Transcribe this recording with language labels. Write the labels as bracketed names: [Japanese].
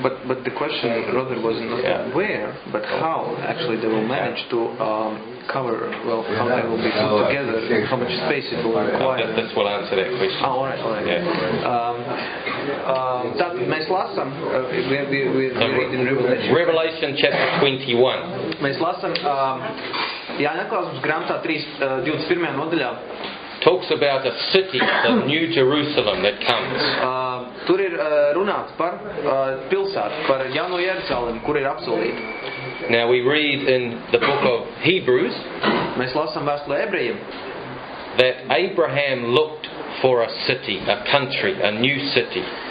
[English] But the question rather was not where, but how actually they will manage to cover, how they will be put together, how much space it will require. This will answer that question. Oh, all right. Yeah. That [Latvian] mēs lasam, [English] we read in Revelation. Revelation chapter 21. [Latvian] Mēs lasam, Jāņaklausums grāmatā 21. Nodaļā. [English] Talks about a city, the New Jerusalem that comes. [Latvian] Tur ir runāts par pilsētu, par jauno Jeruzalemi, kur ir apsolīta. [English] Now we read in the book of Hebrews. [Latvian] Mēs lasām vēstulē ebrejiem. [English] that Abraham looked for a city, a country, a new city.